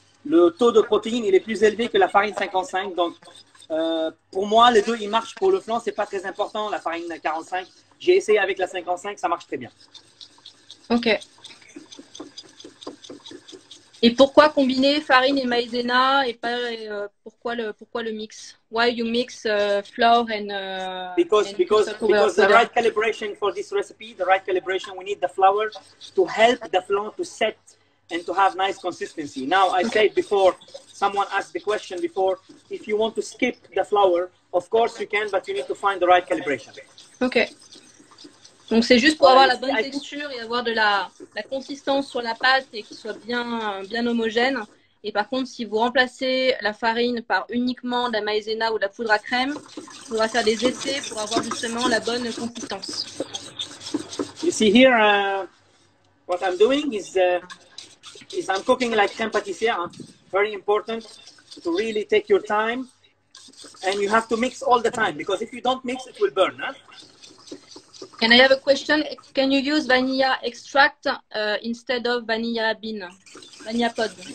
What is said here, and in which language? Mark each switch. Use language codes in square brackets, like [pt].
[fr] Le taux de protéines, il est plus élevé que la farine 55. Donc, pour moi, les deux, ils marchent. Pour le flan, c'est pas très important, la farine 45. J'ai essayé avec la 55, ça marche très bien. OK. Et pourquoi combiner farine et maïzena et pas pourquoi le mix? [en] Why you mix flour and because the right calibration for this recipe, the right calibration, we need the flour to help the flan to set and to have nice consistency. Now I said before, someone asked the question before, if you want to skip the flour, of course you can, but you need to find the right calibration. Okay. [fr] Donc, c'est juste pour avoir la bonne texture et avoir de la consistance sur la pâte et qu'il soit bien homogène. Et par contre, si vous remplacez la farine par uniquement de la maïzena ou de la poudre à crème, il faudra faire des essais pour avoir justement la bonne consistance. [en] You see here, what I'm doing is I'm cooking like crème pâtissière. Hein? Very important to really take your time. And you have to mix all the time because if you don't mix, it will burn. Huh? Can I have a question? Can you use vanilla extract instead of vanilla bean, vanilla pod?